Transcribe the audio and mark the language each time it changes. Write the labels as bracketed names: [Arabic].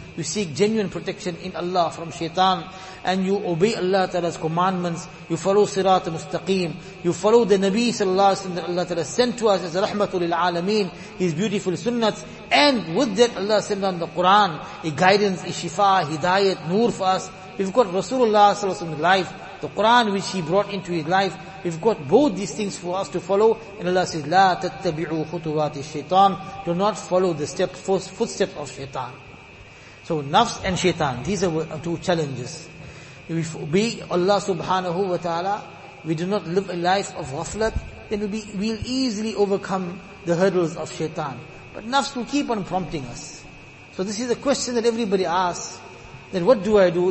[English] You seek genuine protection in Allah from shaitan, and you obey Allah Ta'ala's commandments, you follow Sirat Mustaqim, you follow the Nabi Sallallahu Alaihi Wasallam that Allah Ta'ala sent to us as Rahmatul Alameen, his beautiful sunnats, and with that Allah sent down the Quran, a guidance, a shifa, a hidayat, nur for us. We've got Rasulullah Sallallahu Alaihi Wasallam's life, the Quran which he brought into his life. We've got both these things for us to follow. And Allah says, [Arabic] لَا تَتَّبِعُوا خُطُوَاتِ الشَّيْطَانِ. [English] Do not follow the footsteps of shaitan. So nafs and shaitan, these are two challenges. If we obey Allah subhanahu wa ta'ala, we do not live a life of ghaflat, then we'll easily overcome the hurdles of shaitan. But nafs will keep on prompting us. So this is a question that everybody asks. Then what do I do?